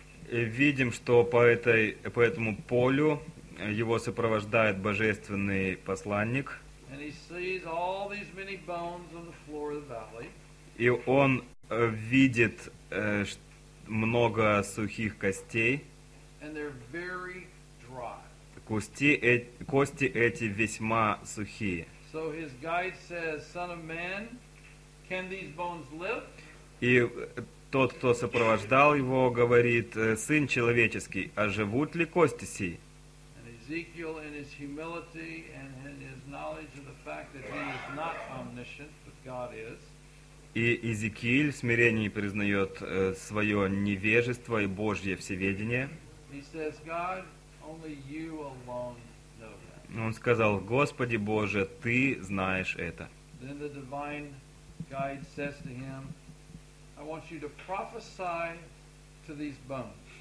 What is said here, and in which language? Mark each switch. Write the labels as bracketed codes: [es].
[ru] видим, что по этому полю его сопровождает божественный посланник. [en] And he sees all these many bones on the floor of the valley. [ru] И он видит много сухих костей. [en] And they're very dry. [ru] Кости эти весьма сухие. [en] So his guide says, "Son of man, can these bones live?" [ru] И тот, кто сопровождал его, говорит: "Сын человеческий, а живут ли кости сии?" [en] Ezekiel in his humility and in his knowledge of the fact that he is not omniscient, but God is. [ru] И Иезекииль в смирении признает свое невежество и Божье всеведение. [en] He says, God, only you alone know. [ru] Он сказал, Господи Боже, Ты знаешь это. [en] Then the divine guide says to him, I want you to prophesy to these bones.